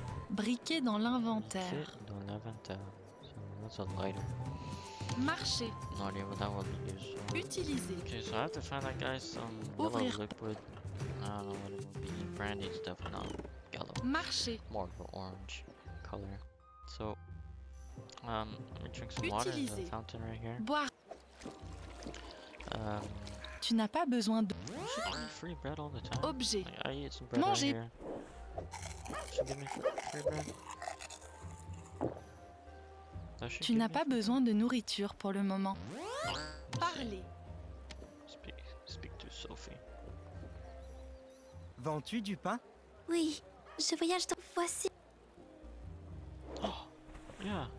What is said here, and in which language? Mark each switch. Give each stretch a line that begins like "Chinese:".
French: Briquet dans l'inventaire. Briquet dans l'inventaire.
English: So that's an item.
French: Marché.
English: Not even that one to use.
French: Utiliser.
English: Okay, so I have to find that guy some
French: ouvrir
English: yellow liquid. It will be brandy stuff, not yellow.
French: Marché.
English: More of an orange color. So, let me drink some water in the fountain right here.
French: Boire. Tu n'as pas besoin de.
English: Free bread all the time.
French: Objet.
English: I eat some bread
French: manger.
English: Right here. Should give me free bread.
French: Tu n'as pas besoin de nourriture pour le moment. Parlez.
English: Speak to Sophie.
French: Vends-tu du pain? Oui, je voyage dans voici.
English: Oh, yeah,